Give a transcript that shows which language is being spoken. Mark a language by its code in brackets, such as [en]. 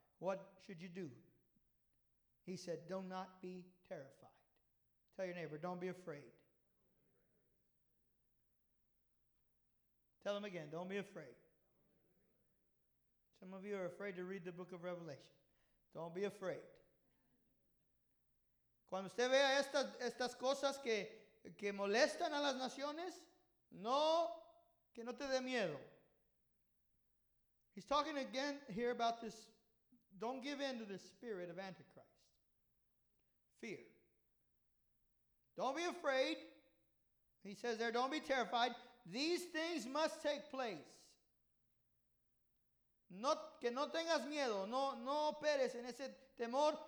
[en] What should you do? He said, do not be terrified. Tell your neighbor, don't be afraid. Tell them again, don't be afraid. Some of you are afraid to read the book of Revelation. Don't be afraid. [es] Cuando usted vea estas cosas que molestan a las naciones, no, que no te dé miedo. [en] He's talking again here about this. Don't give in to the spirit of Antichrist. Fear. Don't be afraid. He says there, don't be terrified. These things must take place. [es] No, que no tengas miedo. No, no operes en ese temor.